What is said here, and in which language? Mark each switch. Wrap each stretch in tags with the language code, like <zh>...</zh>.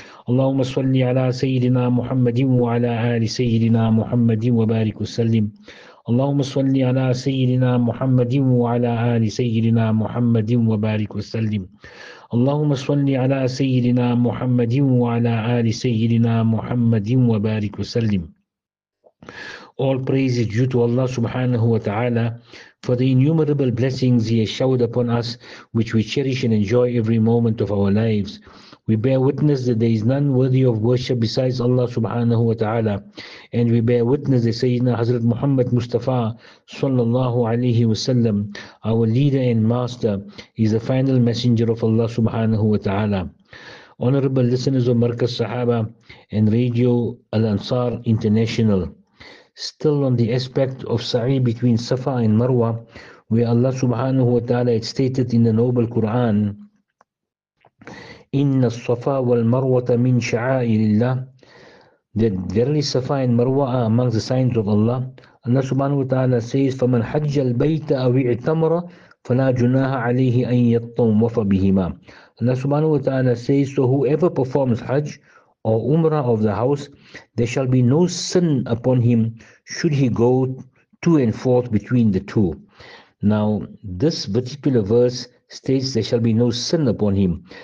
<ar>اللهم صل على سيدنا محمد وعلى آل سيدنا محمد وبارك وسلم. اللهم صل على سيدنا محمد وعلى آل سيدنا محمد وبارك وسلم. اللهم صل على سيدنا محمد وعلى آل سيدنا محمد وبارك وسلم.</ar> <en>All praise is due to Allah subhanahu wa ta'ala for the innumerable blessings He has showered upon us, which we cherish and enjoy every moment of our lives. We bear witness that there is none worthy of worship besides Allah subhanahu wa ta'ala. And we bear witness that Sayyidina Hazrat Muhammad Mustafa sallallahu alayhi wa sallam, our leader and master, is the final messenger of Allah subhanahu wa ta'ala. Honorable listeners of Markaz Sahaba and Radio Al-Ansar International, still on the aspect of Sa'i between Safa and Marwa, where Allah subhanahu wa ta'ala had stated in the Noble Quran,</en> <ar>إن الصفا والمروة من شعائر الله,</ar> <en>that verily Safa and Marwa are among the signs of Allah.</en> <ar>Allah subhanahu wa ta'ala says, فَمَنْ حَجَّ الْبَيْتَ أَوْ اِعْتَمَرَ فَلَا جُنَاهَ عَلَيْهِ أَنْ يَطَّوَّفَ بِهِمَا.</ar> <en>Allah subhanahu wa ta'ala says, so whoever performs Hajj or Umrah of the house, there shall be no sin upon him should he go to and forth between the two. Now, this particular verse states there shall be no sin upon him.</en>